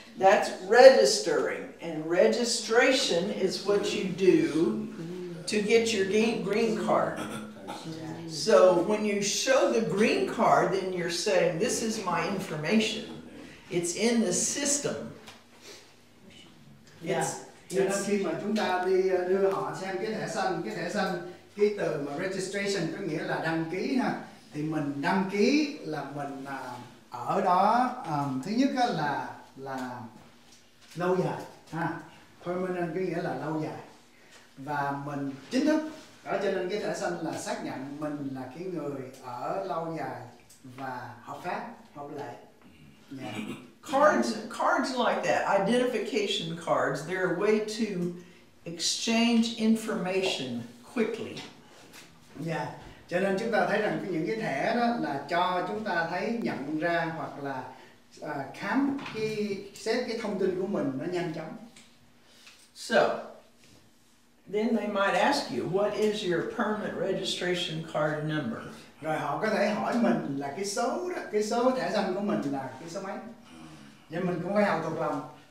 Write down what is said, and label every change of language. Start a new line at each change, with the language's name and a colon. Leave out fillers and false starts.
English: That's registering. And registration is what you do to get your green card. So when you show the green card, then you're saying, this is my information. It's in the system. Yeah.
Vietnamese: Khi mà chúng ta đi đưa họ xem cái thẻ xanh, cái từ mà registration có nghĩa là đăng ký ha. Thì mình đăng ký là mình ở đó, thứ nhất là lâu dài ha. Permanent có nghĩa là lâu dài. Và mình chính thức đó, cho nên cái thẻ xanh là xác nhận mình là cái người ở lâu dài và hợp pháp, hợp lệ. Yeah.
English: Cards like that, identification cards, they're a way to exchange information quickly. Yeah.
Vietnamese: Cho nên chúng ta thấy rằng những cái thẻ đó là cho chúng ta thấy nhận ra hoặc là khám khi xét cái thông tin của mình nó nhanh chóng.
English: So then they might ask you, what is your permanent registration card number?
Vietnamese: Rồi họ có thể hỏi mình là cái số đó, cái số thẻ xanh của mình là cái số mấy. Nhưng mình cũng phải học thuộc lòng.